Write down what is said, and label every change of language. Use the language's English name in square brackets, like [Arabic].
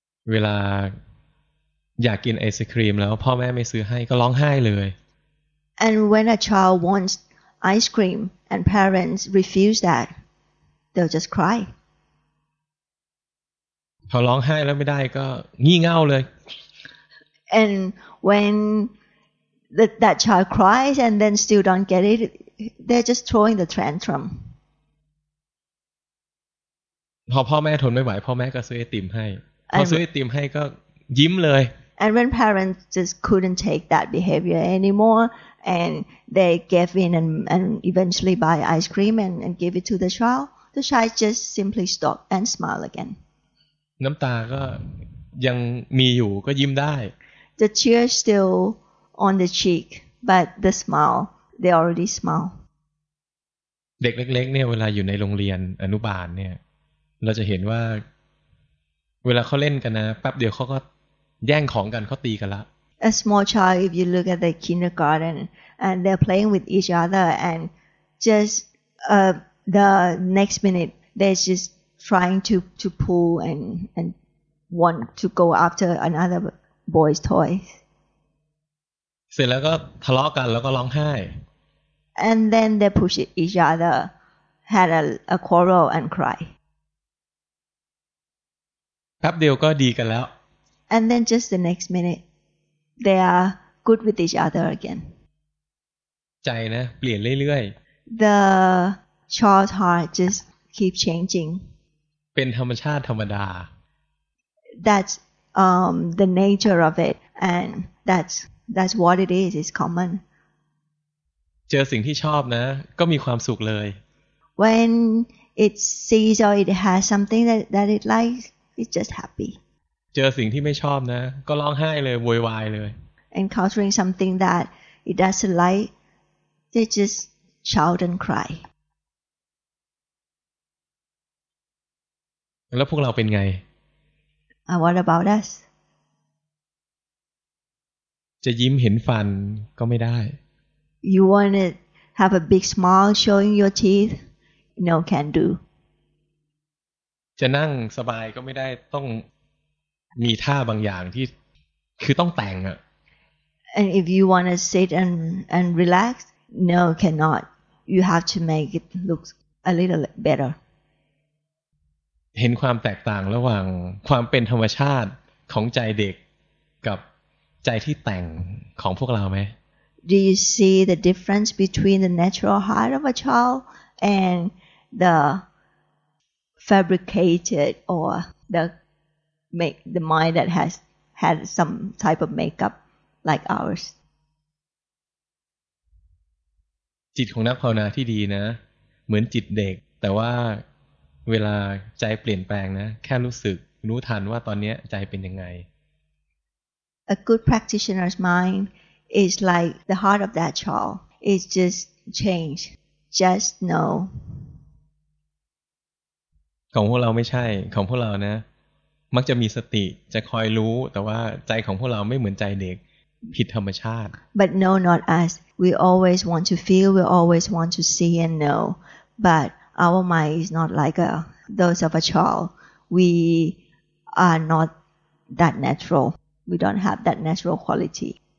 [Thai] เวลาอยากกินไอศกรีมแล้วพ่อแม่ไม่ซื้อให้ก็ร้องไห้เลย [English] And when a child wants ice cream and parents refuse that, they'll just cry. [Thai] พอร้องไห้แล้วไม่ได้ก็งี่เง่าเลย [English] And when that child cries and then still don't get it, they're just throwing the tantrum. [Thai] พอพ่อแม่ทนไม่ไหวพ่อแม่ก็ซื้อไอติมให้พอซื้อไอติมให้ก็ยิ้มเลย [English] And when parents just couldn't take that behavior anymore, and they gave in and eventually buy ice cream and give it to the child just simply stop and smile again. [Thai] น้ำตาก็ยังมีอยู่ก็ยิ้มได้ [English] The tear still on the cheek, but the smile, they already smile. [Thai] เด็กเล็กๆ เนี่ยเวลาอยู่ในโรงเรียนอนุบาลเนี่ยเราจะเห็นว่าเวลาเขาเล่นกันนะแป๊บเดียวเขาก็แย่งของกันเขาตีกันละ [English] A small child, if you look at the kindergarten, and they're playing with each other, and just the next minute they're just trying to pull and want to go after another boy's toys. [Thai] เสร็จแล้วก็ทะเลาะกันแล้วก็ร้องไห้ [English] And then they push each other, had a quarrel and cry. [Thai] แป๊บเดียวก็ดีกันแล้ว [English] And then just the next minute they are good with each other again [Thai] ใจนะเปลี่ยนเรื่อย [English] ๆ The child's heart just keep changing [Thai] เป็นธรรมชาติธรรมดา [English] That's the nature of it and that's what it is it's common [Thai] เจอสิ่งที่ชอบนะก็มีความสุขเลย [English] When it sees or it has something that it likesIt's just happy. [Thai] เจอสิ่งที่ไม่ชอบนะก็ร้องไห้เลยโวยวายเลย [English] Encountering something that it doesn't like, they just shout and cry. [Thai] แล้วพวกเราเป็นไง [English] What about us? [Thai] จะยิ้มเห็นฟันก็ไม่ได้ [English] You wanna have a big smile showing your teeth? No, can't do. [Thai] จะนั่งสบายก็ไม่ได้ต้องมีท่าบางอย่างที่คือต้องแต่งอะ [English] And if you want to sit and relax no cannot you have to make it look a little better [Thai] เห็นความแตกต่างระหว่างความเป็นธรรมชาติของใจเด็กกับใจที่แต่งของพวกเราไหม [English] Do you see the difference between the natural heart of a child and thefabricated or the mind that has had some type of makeup like ours [Thai] จิตของนักภาวนาที่ดีนะเหมือนจิตเด็กแต่ว่าเวลาใจเปลี่ยนแปลงนะแค่รู้สึกรู้ทันว่าตอนนี้ใจเป็นยังไง [English] A good practitioner's mind is like the heart of that child it's just change just know [Thai] ของพวกเราไม่ใช่ของพวกเรานะมักจะมีสติจะคอยรู้แต่ว่าใจของพวกเราไม่เหมือนใจเด็กผิดธรรมชาติ [English] But no not us we always want to feel we always want to see and know but our mind is not like those of a child we are not that natural we don't have that natural quality